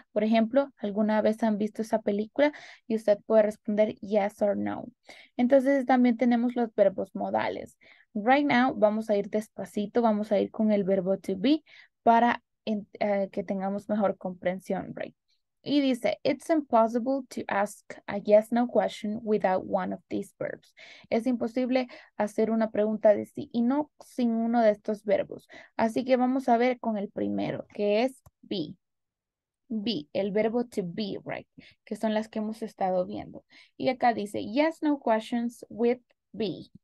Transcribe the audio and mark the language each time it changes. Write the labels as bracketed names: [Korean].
[Spanish] Por ejemplo, ¿alguna vez han visto esa película? Y usted puede responder [English] yes or no. [Spanish] Entonces también tenemos los verbos modales. Right now, vamos a ir despacito, vamos a ir con el verbo to be para que tengamos mejor comprensión, right? Y dice, [English] it's impossible to ask a yes-no question without one of these verbs. [Spanish] Es imposible hacer una pregunta de sí y no sin uno de estos verbos. Así que vamos a ver con el primero, que es be. Be, el verbo to be, right? Que son las que hemos estado viendo. Y acá dice, [English] yes-no questions with be.